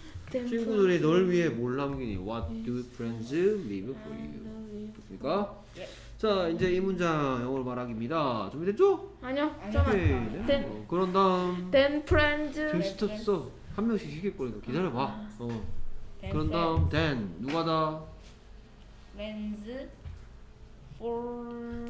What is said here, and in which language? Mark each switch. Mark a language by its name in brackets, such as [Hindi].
[Korean] 친구들이 널 위해 뭘 남기니? [English] What do friends leave for you? [Korean] 그니까? 자, 이제 이 문장 영어로 말하기입니다. 준비됐죠? 아니요, 잠깐만. 네. 네. 네. 그런 다음. [English] Then friends. [Korean] 좀 시켰어. 한 명씩 시킬거니까 기다려봐. 아. 어. [English] Then [Korean] 그런 다음, then. 누가 다? [English] Friends for.